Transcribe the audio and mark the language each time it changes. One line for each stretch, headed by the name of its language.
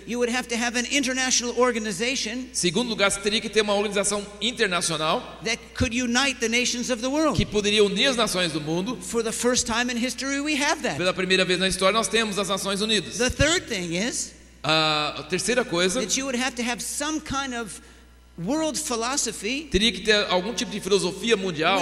English: You would have to have an international organization.
Portuguese: Segundo lugar, você teria que ter uma organização internacional
English: that could unite the nations of the world.
Portuguese: Que poderia unir as nações do mundo.
English: For the first time in history, we have that.
Portuguese: Pela primeira vez na história, nós temos as Nações Unidas.
English: The third thing is.
Portuguese: A terceira coisa,
English: that you would have to have some kind of world philosophy,
Portuguese: teria que ter algum tipo de filosofia mundial,